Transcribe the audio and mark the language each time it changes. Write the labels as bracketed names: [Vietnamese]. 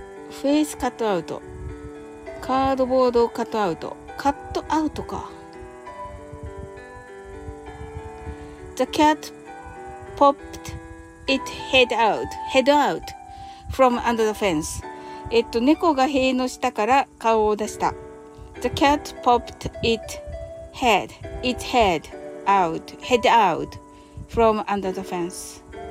[English] フェイスカットアウト。カードボードカットアウト。 [Japanese] カットアウトか。 [English] The cat popped its head out. Head out from under the fence. [Japanese] 猫が塀の下から顔を出した。 [English] The cat popped its head out from under the fence.